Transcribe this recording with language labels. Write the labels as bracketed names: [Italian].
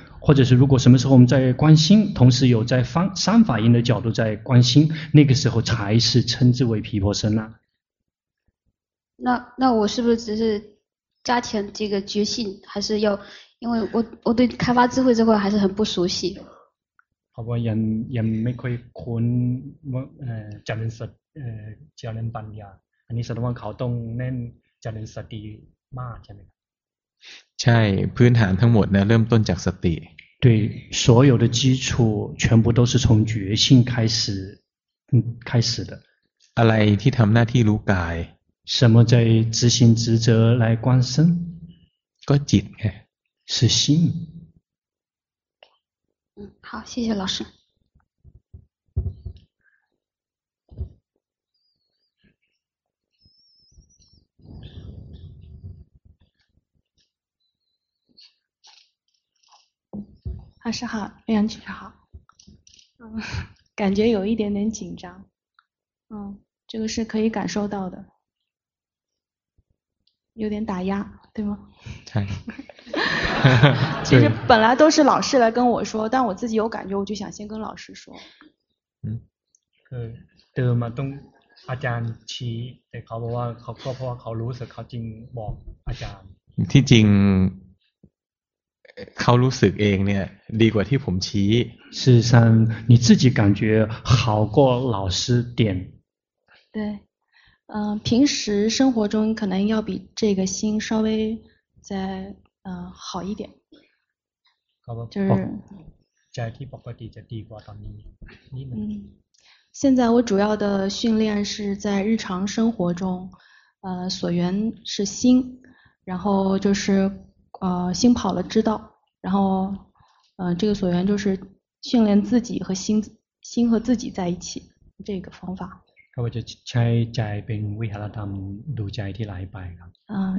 [Chinese] 或者是如果什么时候我们在观心，同时有在方三法印的角度在观心，那个时候才是称之为毗婆舍那。那我是不是只是加强这个觉性，还是要因为我对开发智慧这块还是很不熟悉。好吧，人 [Thai] ไม่ค่อยคุ้นว่าจะเรียนสติจะเรียนปัญญาอันนี้แสดงว่าเขาต้องเน้นจะเรียนสติมากใช่ไหม ใช่พื้นฐานทั้งหมดนะเริ่มต้นจากสติ [Chinese] 对所有的基础全部都是从觉性开始的 [Thai] อะไรที่ทำหน้าที่รู้กาย [Chinese] 什么在执行职责来观身 [Thai] ก็จิตไง [Chinese] 是心好谢谢老师老师好，梁阳居士好。感觉有一点点紧张。这个是可以感受到的，有点打压，对吗？对。其实本来都是老师来跟我说，但我自己有感觉，我就想先跟老师说。 [Thai] เดิมมาต้องอาจารย์ชี้แต่เขาบอกว่าเขาก็เพราะว่าเขารู้สึกเขาจึงบอกอาจารย์ที่จริงเขารู้สึกเองเนี่ยดีกว่าที่ผมชี้ [Chinese] 事实上你自己感觉好过老师点对平时生活中可能要比这个心稍微再好一点就是 [Thai] ใจที่ปกติจะดีกว่าตอนนี้ [Chinese] 现在我主要的训练是在日常生活中所缘是心然后就是心跑了知道然后这个所缘就是训练自己和心和自己在一起这个方法我就 [Thai] ใช้ใจเป็นวิหารธรรมดูใจที่ไหลไปครับ